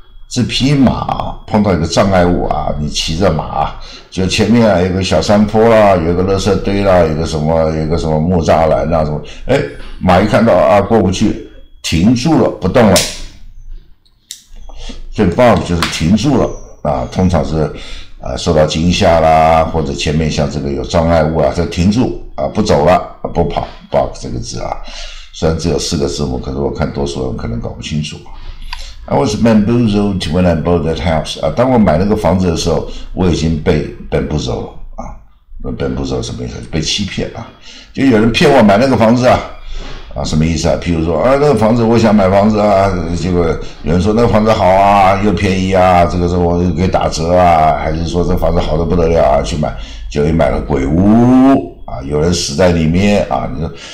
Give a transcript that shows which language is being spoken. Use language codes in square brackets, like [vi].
[zh] 这匹马碰到一个障碍物啊，你骑着马，就前面啊有个小山坡啦、啊，有个垃圾堆啦、啊，有个什么木栅栏啦、啊、什么，哎，马一看到啊过不去，停住了不动了，所以 bark 就是停住了啊，通常是啊受到惊吓啦，或者前面像这个有障碍物啊，就停住啊不走了不跑 bark 这个字啊，虽然只有四个字母，可是我看多数人可能搞不清楚。 [en] I was bamboozled when I bought that house. [zh] 啊，当我买那个房子的时候，我已经被 bamboozled 了啊。bamboozled 什么意思？被欺骗啊，就有人骗我买那个房子啊。啊，什么意思啊？譬如说，啊，那个房子我想买房子啊，结果有人说那个房子好啊，又便宜啊，这个时候我就给打折啊，还是说这房子好得不得了啊，去买，就一买了鬼屋啊，有人死在里面啊，你说。